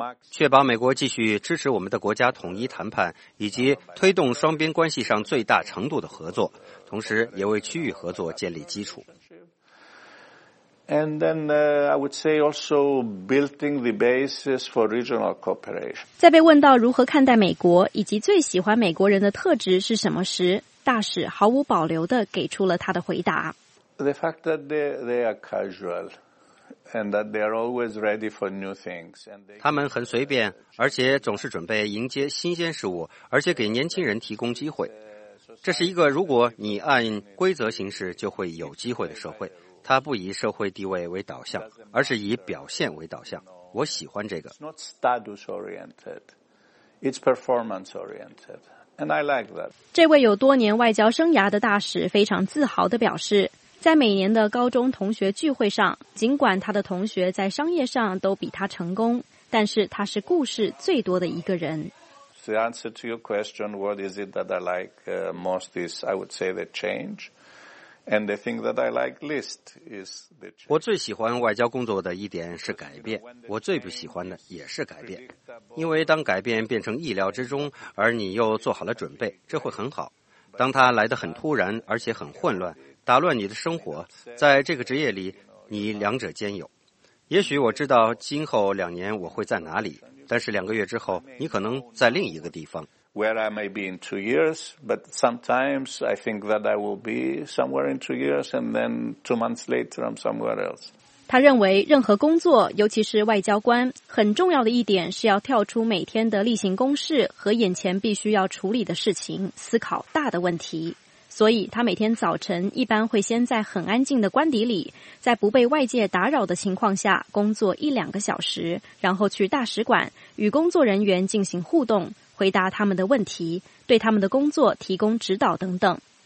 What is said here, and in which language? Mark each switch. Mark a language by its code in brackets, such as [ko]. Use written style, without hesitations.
[zh] 确保美国继续支持我们的国家统一谈判，以及推动双边关系上最大程度的合作，同时也为区域合作建立基础。 [en] And then, I would say also building the basis for regional cooperation. [zh] 在被问到如何看待美国以及最喜欢美国人的特质是什么时，大使毫无保留地给出了他的回答。 [en] The fact that they are casual. And that they are always ready for new things. [zh] 他们很随便，而且总是准备迎接新鲜事物，而且给年轻人提供机会。这是一个如果你按规则行事就会有机会的社会。它不以社会地位为导向，而是以表现为导向。我喜欢这个。 [en] It's not status oriented. It's performance oriented. And I like that. [zh] 这位有多年外交生涯的大使非常自豪地表示，在每年的高中同学聚会上，尽管他的同学在商业上都比他成功，但是他是故事最多的一个人。 [en] The answer to your question, what is it that I like most is, I would say, the change. And the thing that I like least is the change. [zh] 我最喜欢外交工作的一点是改变，我最不喜欢的也是改变。因为当改变变成意料之中，而你又做好了准备，这会很好。当它来得很突然，而且很混乱，打乱你的生活，在这个职业里你两者兼有。也许我知道今后两年我会在哪里，但是两个月之后你可能在另一个地方。 [en] Where I may be in 2 years, but sometimes I think that I will be somewhere in 2 years and then 2 months later I'm somewhere else. [zh] 他认为任何工作，尤其是外交官，很重要的一点是要跳出每天的例行公事和眼前必须要处理的事情，思考大的问题。所以他每天早晨一般会先在很安静的官邸里，在不被外界打扰的情况下工作一两个小时，然后去大使馆与工作人员进行互动，回答他们的问题，对他们的工作提供指导等等。